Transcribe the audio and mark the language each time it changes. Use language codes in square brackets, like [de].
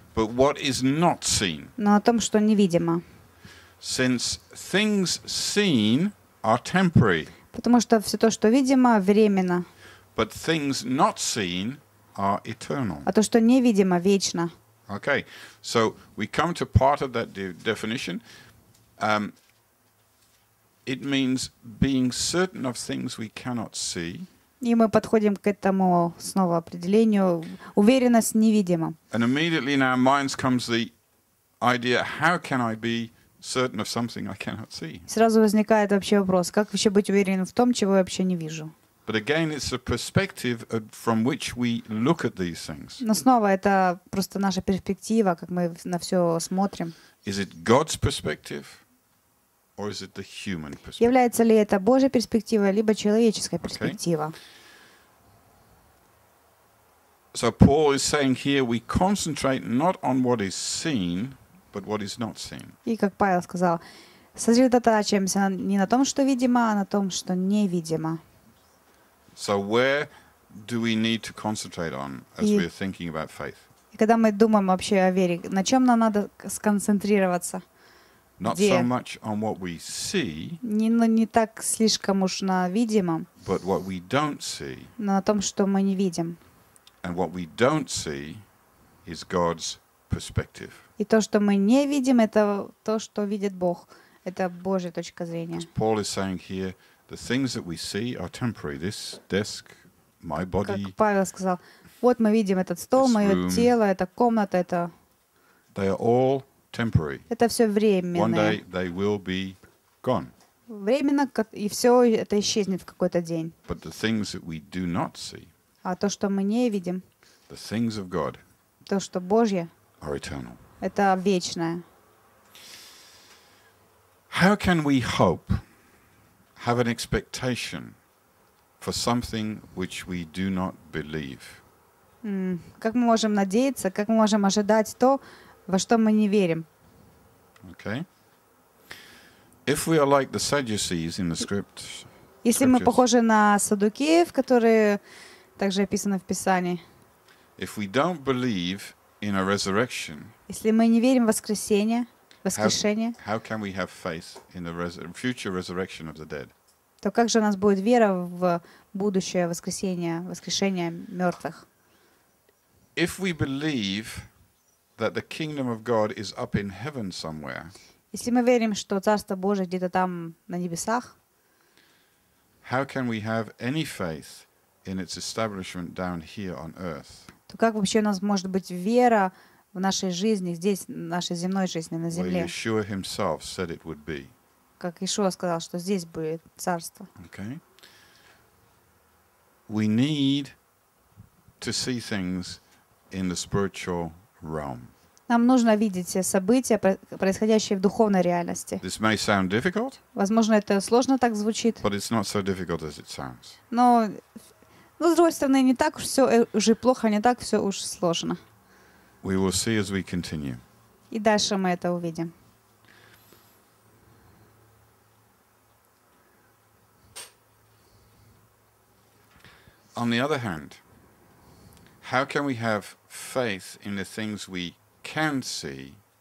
[en] But what is not seen. [ru] Но на том, что невидимо. [en] Since things seen are temporary. [ru] Потому что все то, что видимо, временно. [en] But things not seen are eternal. [ru] А то, что невидимо, вечно. [en] Okay, so we come to part of that definition. It means being certain of things we cannot see. [ru] И мы подходим к этому снова определению уверенность невидима. [en] And immediately in our minds comes the idea, how can I be certain of something I cannot see? [ru] Сразу возникает вообще вопрос, как вообще быть уверенным в том, чего я вообще не вижу? [en] But again, it's a perspective from which we look at these things. [ru] Но снова это просто наша перспектива, как мы на все смотрим. [en] Is it God's perspective? Or is it the human perspective? [ru] Является ли это Божья перспектива либо человеческая перспектива? [en] Okay. So Paul is saying here we concentrate not on what is seen, but what is not seen. [ru] И как Павел сказал, сосредотачиваемся не на том, что видимо, а на том, что невидимо. [en] So where do we need to concentrate on as we're thinking about faith? [ru] И когда мы думаем вообще о вере, на чем нам надо сконцентрироваться? [en] Not so much on what we see, [ru] не так слишком уж на видимом, [en] but what we don't see, [ru] но на том, что мы не видим. [en] And what we don't see is God's perspective. [ru] И то, что мы не видим, это то, что видит Бог. Это Божья точка зрения. [en] As Paul is saying here, the things that we see are temporary. This desk, my body. [ru] Как Павел сказал, вот мы видим этот стол, мое тело, эта комната, это. [en] They are all temporary. [ru] Это все временное. [en] One day they will be gone. [ru] Временно, и все это исчезнет в какой-то день. [en] But the things that we do not see. [ru] А то, что мы не видим. [en] The things of God. [ru] То, что Божье. [en] Are eternal. [ru] Это вечное. [en] How can we hope, have an expectation for something which we do not believe? [ru] Как мы можем надеяться, как мы можем ожидать то, во что мы не верим? [en] Okay. If we are like the Sadducees in the script, [ru] если мы похожи на саддукеев, которые также описаны в Писании, [en] if we don't believe in a resurrection, [ru] если мы не верим в воскресение, воскрешение, [en] how can we have faith in the future resurrection of the dead? [ru] То как же у нас будет вера в будущее воскресение, воскрешение мертвых? [en] If we believe that the kingdom of God is up in heaven somewhere. [ru] Если мы верим, что царство Божие где-то там на небесах. [en] How can we have any faith in its establishment down here on earth? [ru] То как вообще у нас может быть вера в нашей жизни здесь, в нашей земной жизни на земле? [en] Where Yeshua himself said it would be. [ru] Как Иешуа сказал, что здесь будет царство. [en] Okay. We need to see things in the spiritual realm. [ru] Нам нужно видеть все события, происходящие в духовной реальности. [en] This may sound difficult. [ru] Возможно, это сложно так звучит. [en] But it's not so difficult as it sounds. [ru] Но с другой стороны, не так уж все уже плохо, не так все уж сложно. [en] We will see as we continue. [ru] И дальше мы это увидим. [en] On the other hand, how can we have faith in the things we can see?